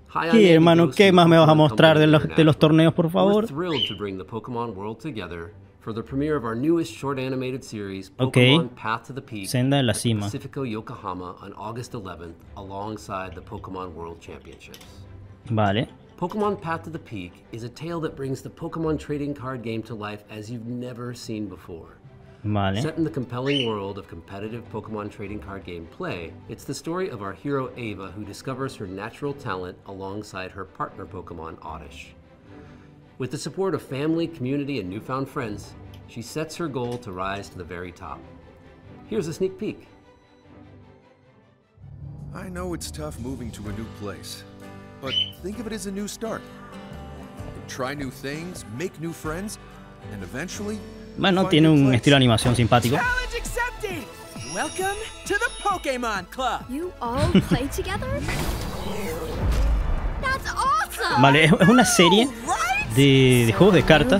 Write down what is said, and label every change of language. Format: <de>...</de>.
<es>Sí, hermano, ¿qué más me vas a mostrar de los torneos, por favor?</es> <en>We're thrilled to bring the Pokémon world together for the premiere of our newest short animated series, Pokémon okay. Path to the Peak,</en> <es>Senda en la Cima,</es> <en>Pacifico Yokohama, on August 11th, alongside the Pokémon World Championships.</en> <es>Vale.</es> <en>Pokémon Path to the Peak is a tale that brings the Pokémon trading card game to life as you've never seen before.</en> <es>Vale.</es> <en>Set in the compelling world of competitive Pokémon trading card game play, it's the story of our hero Ava who discovers her natural talent alongside her partner Pokémon, Oddish. With the support of family, community, and newfound friends, she sets her goal to rise to the very top. Here's a sneak peek. I know it's tough moving to a new place, but think of it as a new start. Try new things, make new friends, and eventually...</en> <es>Bueno, tiene un estilo de animación simpático.</es> <en>Challenge accepted! Welcome to the Pokémon Club! You all play together? That's awesome!</en> <es>Vale, es una serie de juegos de cartas.</es>